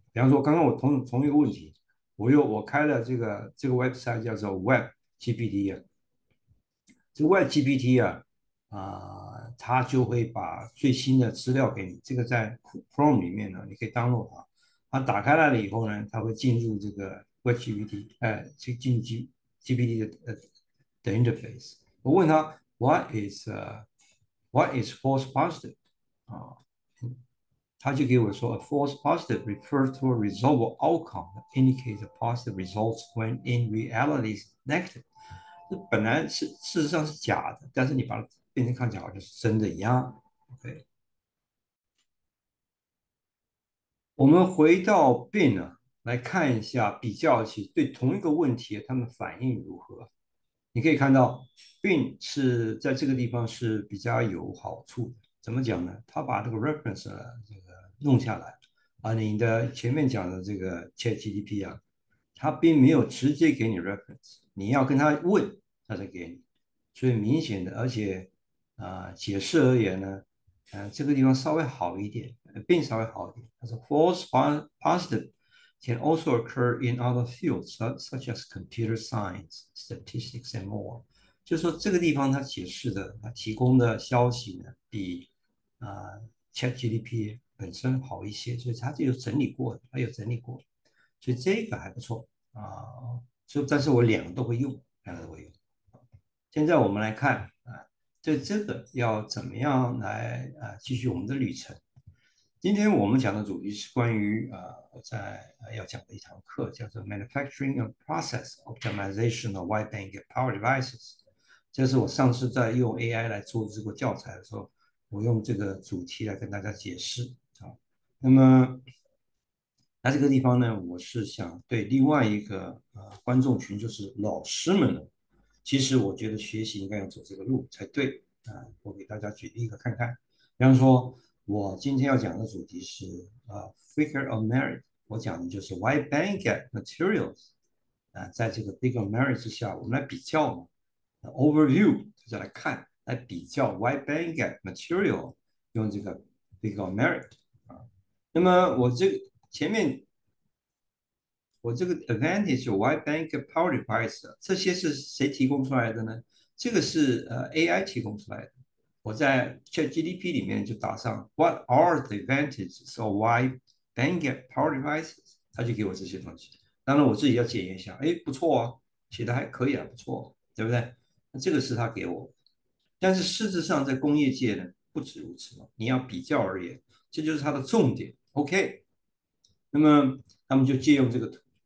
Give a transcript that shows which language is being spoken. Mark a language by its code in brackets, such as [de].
[zh] 比方说，刚刚我同一个问题，我开了这个 website 叫做 Web GPT 这 Web GPT 它就会把最新的资料给你。这个在 Chrome 里面呢，你可以 download 它。它打开了以后呢，它会进入这个 Web GPT，去进 GPT 的interface。 [en] 我问他 What is false positive？他就给我说，a false positive refers to a resolvable outcome that indicates a positive results when in reality is negative。 [zh] 这本来是事实上是假的，但是你把它变成看起来好像是真的一样。 OK。我们回到 bin 呢，来看一下比较起对同一个问题，他们反应如何。你可以看到 bin 是在这个地方是比较有好处的。怎么讲呢？他把这个 reference 呢，这个弄下来，把你的前面讲的这个 ChatGPT 啊，他并没有直接给你 reference，你要跟他问，他才给你。所以明显的，而且解释而言呢。这个地方稍微好一点，并稍微好一点。 [en] 它是 false positive can also occur in other fields such as computer science, statistics, and more。 [zh] 就是说，这个地方它解释的、它提供的消息呢，比ChatGPT 本身好一些，所以它是有整理过的，它有整理过，所以这个还不错啊。所以，但是我两个都会用，两个都会用。现在我们来看。所以这个要怎么样来继续我们的旅程？今天我们讲的主题是关于我在要讲的一堂课，叫做 Manufacturing and Process Optimization of Wide Bandgap Power Devices。这是我上次在用 AI 来做这个教材的时候，我用这个主题来跟大家解释啊。那么在这个地方呢，我是想对另外一个观众群，就是老师们。其实我觉得学习应该要走这个路才对啊！我给大家举例一个看看，比方说，我今天要讲的主题是figure of merit，我讲的就是 wide bandgap materials 在这个 figure of merit 之下，我们来比较嘛。 overview 就是来看，来比较 wide bandgap material 用这个 figure of merit 啊。那么我这前面。我这个 advantage wide bandgap power device，这些是谁提供出来的呢？这个是AI 提供出来的。 [en] 我在 ChatGPT 里面就打上 What are the advantages of wide bandgap power devices？ [zh] 他就给我这些东西。当然我自己要检验一下，哎，不错啊，写的还可以啊，不错，对不对？那这个是他给我。但是事实上在工业界呢，不止如此嘛。你要比较而言，这就是它的重点。OK，那么他们就借用这个图。